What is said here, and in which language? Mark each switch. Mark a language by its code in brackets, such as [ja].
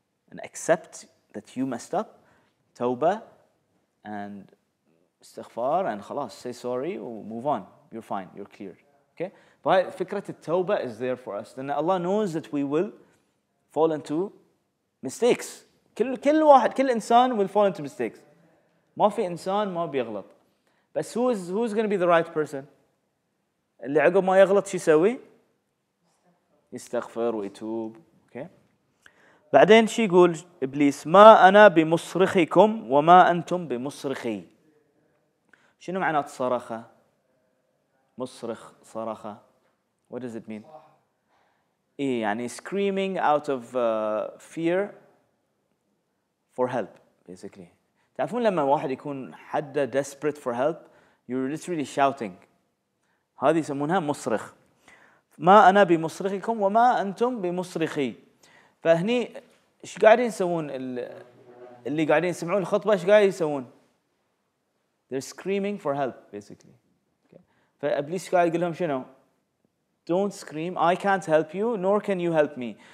[en] And accept that you messed up, tawbah, and istighfar, and khalas, say sorry, move on. You're fine, you're clear. Okay? But fikrat al-tawbah is there for us. Then Allah knows that we will fall into mistakes. [ar] كل واحد, كل إنسان [en] will fall into mistakes. [ar] ما في إنسان ما بيغلط. [en] But who's going to be the right person? [ar] اللي عقب ما يغلط شو يسوي؟ يستغفر ويتوب. بعدين شي يقول إبليس ما أنا بمصرخكم وما أنتم بمصرخي شنو معنى صرخة مصرخ صرخة [en] what does it mean [ar] إيه يعني [en] screaming out of fear for help basically [ar] تعرفون لما واحد يكون حدا [en] desperate for help you're literally shouting [ar] هذه يسمونها مصرخ ما أنا بمصرخكم وما أنتم بمصرخي فهني إيش قاعدين يسوون اللي قاعدين يسمعون الخطبة إيش قاعدين يسوون؟ [en] They're screaming for help basically. Okay. [ar] فأبليس قاعد يقول لهم شنو؟ [en] Don't scream. I can't help you, nor can you help me.